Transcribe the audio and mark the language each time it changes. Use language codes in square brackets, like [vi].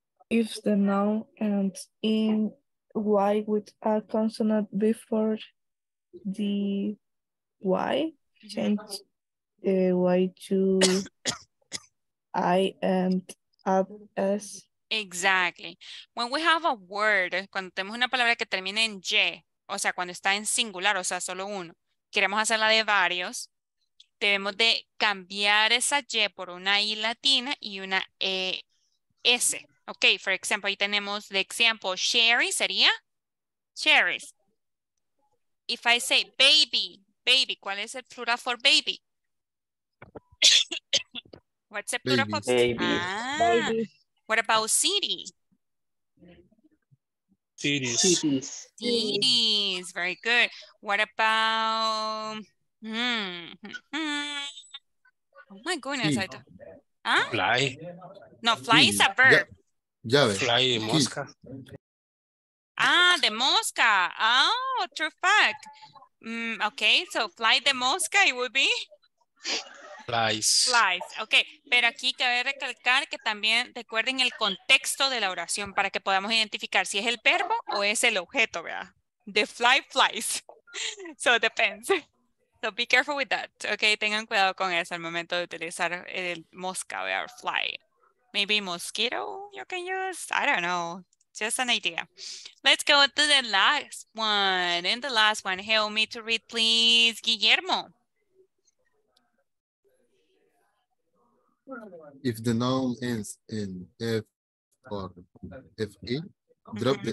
[en] If the noun ends in Y with a consonant before the Y, change the Y to I and add S. Exactly. When we have a word, [es] cuando tenemos una palabra que termina en Y, o sea, cuando está en singular, o sea, solo uno, queremos hacerla de varios, debemos de cambiar esa Y por una I latina y una ES. [en] Ok, for example, [es] ahí tenemos de ejemplo, Sherry sería Sherry's. [en] If I say baby, [es] ¿cuál es el plural [en] for baby? What's the plural for baby. Ah, baby? What about city? Cities. Very good. What about oh my goodness, sí. I don't, huh? Fly. No, fly sí. Is a verb. [es] Ya ves. Fly mosca. [en] Ah, the mosca. Oh, true fact. Okay, so fly the mosca it would be Flies. [es] Ok, pero aquí cabe recalcar que también recuerden el contexto de la oración para que podamos identificar si es el verbo o es el objeto, ¿verdad? [en] The fly flies. So it depends. So be careful with that. [es] Ok, tengan cuidado con eso al momento de utilizar el mosca, ¿verdad? [en] Fly. Maybe mosquito you can use. I don't know. Just an idea. Let's go to the last one. And the last one, help me to read, please, Guillermo. If the noun ends in F or F-E, drop mm-hmm.